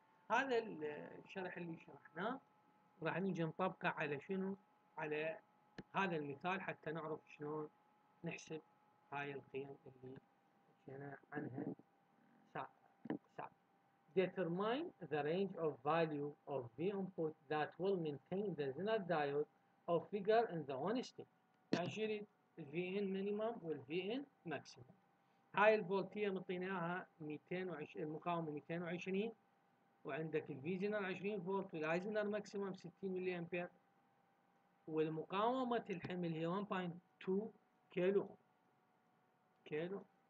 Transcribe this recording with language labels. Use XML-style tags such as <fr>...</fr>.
<ar>هذا الشرح اللي شرحناه راح نيجي نطبقه على شنو على هذا المثال حتى نعرف شلون نحسب هاي القيم اللي حكينا عنها</ar> <en>Determine the range of value of V input that will maintain the zener diode of figure in the one state.</en> <ar>يعني شريد VN minimum والVN maximum. هاي الفولتية مطيناها 220 المقاومة 220 وعندك الفيزنر 20 فولت والايزنر ماكسيمم 60 ملي امبير والمقاومة الحمل هي 1.2 كيلو كيلو</ar>